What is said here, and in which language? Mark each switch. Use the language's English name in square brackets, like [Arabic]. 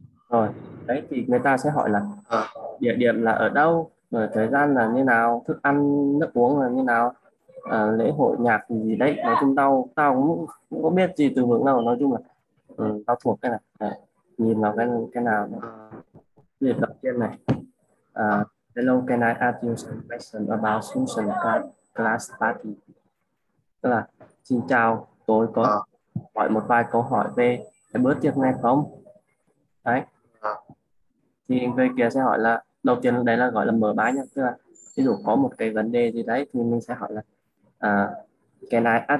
[Vietnamese] Rồi, đấy thì người ta sẽ hỏi là địa điểm là ở đâu, rồi thời gian là như nào, thức ăn, nước uống là như nào, lễ hội, nhạc gì đấy. Nói chung tao tao cũng không biết gì từ vựng đâu. Nói chung là tao thuộc cái này. Để nhìn vào cái nào này. Để đọc trên này. [English] Hello, can I ask you some question about Susan class party? [Vietnamese] Tức là xin chào, tôi có hỏi một vài câu hỏi về cái bữa tiệc này không? Đấy. Thì người kia sẽ hỏi là đầu tiên đấy là gọi là mở bài nhá, tức là ví dụ có một cái vấn đề gì đấy thì mình sẽ hỏi là [English] can I ask